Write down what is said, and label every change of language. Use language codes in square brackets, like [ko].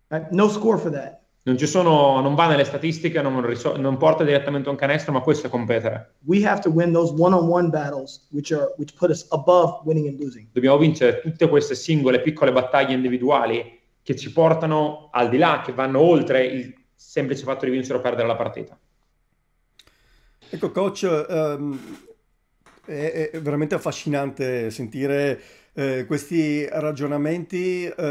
[en] No score for that. [it] Non ci sono, non va nelle statistiche, non porta direttamente un canestro, ma questo è competere. [en] We have to win those one-on-one battles, which put us above winning and losing. [it] Dobbiamo vincere tutte queste singole piccole battaglie individuali che ci portano al di là, che vanno oltre il semplice fatto di vincere o perdere la partita. Ecco, coach, è veramente affascinante sentire questi ragionamenti.